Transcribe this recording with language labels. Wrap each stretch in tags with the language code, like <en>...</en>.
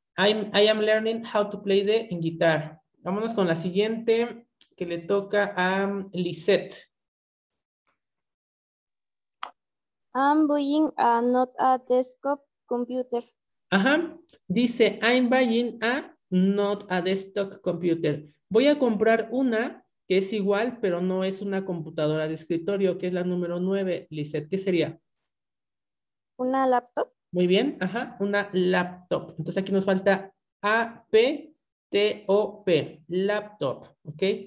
<en>I am learning how to play the guitar.</en> <es>Vámonos con la siguiente que le toca a Lisette.</es> <en>I'm buying a not a desktop computer. Ajá.</en> <es>Dice</es> <en>I'm buying a not a desktop computer.</en> <es>Voy a comprar una que es igual, pero no es una computadora de escritorio, que es la número 9, Lisette. ¿Qué sería? Una laptop. Muy bien, ajá, una laptop. Entonces aquí nos falta A-P-T-O-P, laptop, ¿ok?</es>